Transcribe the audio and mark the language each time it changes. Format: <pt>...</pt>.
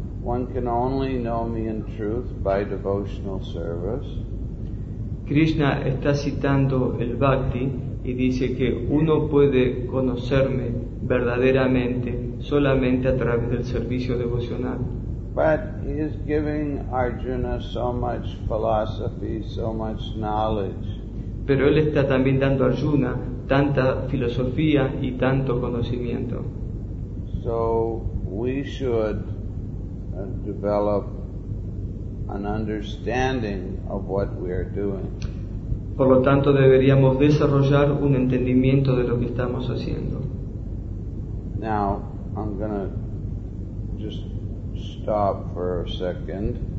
<en>One can only know me in truth by devotional service.</en> <es>Krishna está citando el bhakti y dice que uno puede conocerme verdaderamente solamente a través del servicio devocional.</es> <en>But he is giving Arjuna so much philosophy, so much knowledge.</en> <es>Pero él está también dando a Arjuna tanta filosofía y tanto conocimiento.</es> <en>So we should develop an understanding of what we are doing.</en> <es>Por lo tanto, deberíamos desarrollar un entendimiento de lo que estamos haciendo.</es> <en>Now, I'm going to just stop for a second.</en>